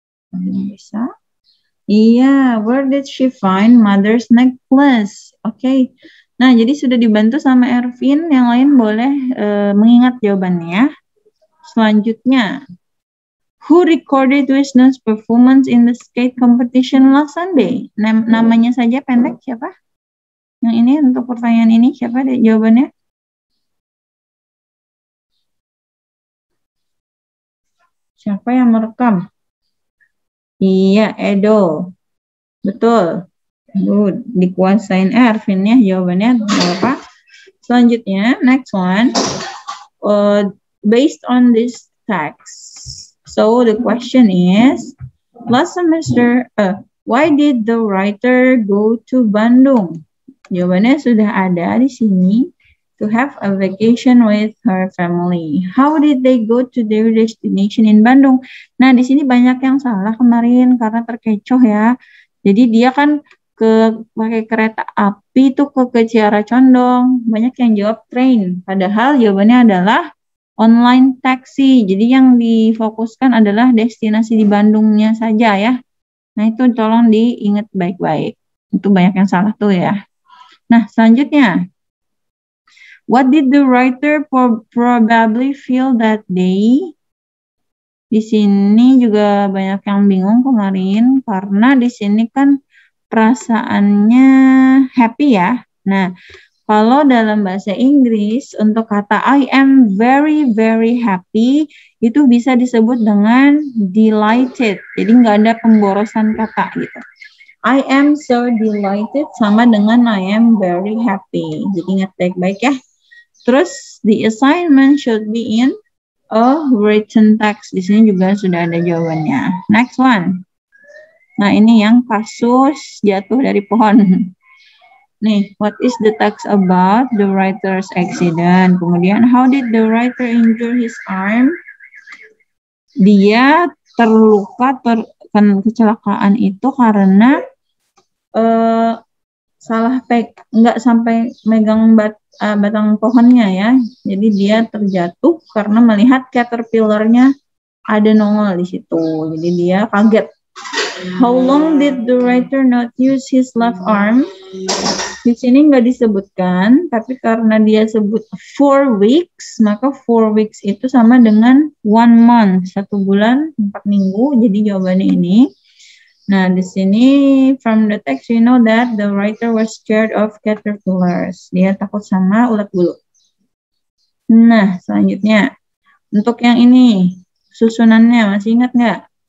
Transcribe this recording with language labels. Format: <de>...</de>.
<id>Bisa. Iya,</id> <en>where did she find mother's necklace? Oke.</en> <id>Nah, jadi sudah dibantu sama Erwin, yang lain boleh mengingat jawabannya. Selanjutnya.</id> <en>Who recorded Wisnu's performance in the skate competition last Sunday?</en> <id>Namanya saja pendek, siapa? Yang ini untuk pertanyaan ini, siapa deh jawabannya? Siapa yang merekam? Iya, Edo. Betul. Dikuasain Erwin ya jawabannya. Apa? Selanjutnya,</id> <en>next one. Based on this text. So the question is, last semester, why did the writer go to Bandung?</en> <id>Jawabannya sudah ada di sini,</id> <en>to have a vacation with her family. How did they go to their destination in Bandung?</en> <id>Nah, di sini banyak yang salah kemarin karena terkecoh ya. Jadi dia kan pakai kereta api tuh ke Ciara Condong. Banyak yang jawab train. Padahal jawabannya adalah online taksi. Jadi yang difokuskan adalah destinasi di Bandungnya saja ya. Nah, itu tolong diingat baik-baik. Itu banyak yang salah tuh ya. Nah, selanjutnya.</id> <en>What did the writer probably feel that day?</en> <id>Di sini juga banyak yang bingung kemarin karena di sini kan perasaannya happy ya. Nah, kalau dalam bahasa Inggris, untuk kata</id> <en>I am very, very happy,</en> <id>itu bisa disebut dengan delighted. Jadi, nggak ada pemborosan kata gitu.</id> <en>I am so delighted</en> <id>sama dengan</id> <en>I am very happy.</en> <id>Jadi, ingat baik-baik ya.</id> <en>Terus, the assignment should be in a written text.</en> <id>Di sini juga sudah ada jawabannya.</id> <en>Next one.</en> <id>Nah, ini yang kasus jatuh dari pohon.</id> <en>Nih, what is the text about the writer's accident? Kemudian, how did the writer injure his arm?</en> <id>Dia terluka, kecelakaan itu karena nggak sampai megang batang pohonnya ya. Jadi, dia terjatuh karena melihat caterpillar-nya ada nongol di situ. Jadi, dia kaget.</id> <en>How long did the writer not use his left arm?</en> <id>Di sini nggak disebutkan, tapi karena dia sebut 4 weeks, maka 4 weeks itu sama dengan 1 month, 1 bulan 4 minggu. Jadi jawabannya ini.</id> <en>Nah, di sini from the text you know that the writer was scared of caterpillars.</en> <id>Dia takut sama ulat bulu. Nah, selanjutnya. Untuk yang ini, susunannya masih ingat nggak?</id>